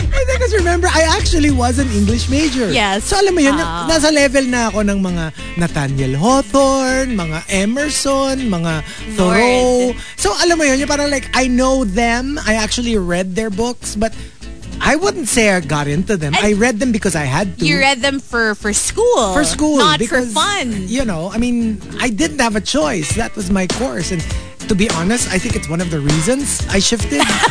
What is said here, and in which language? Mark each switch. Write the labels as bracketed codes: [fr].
[en] Because remember, I actually was an English major. Yes. [tl] So alam mo yun, nasa level na ako ng mga Nathaniel Hawthorne, mga Emerson, mga Thoreau. [en] So [tl] alam mo yun, parang [en] like, I know them, I actually read their books, but I wouldn't say I got into them. And I read them because I had to. You read them for school. For school. Not because, for fun. You know, I mean, I didn't have a choice. That was my course. And to be honest, I think it's one of the reasons I shifted.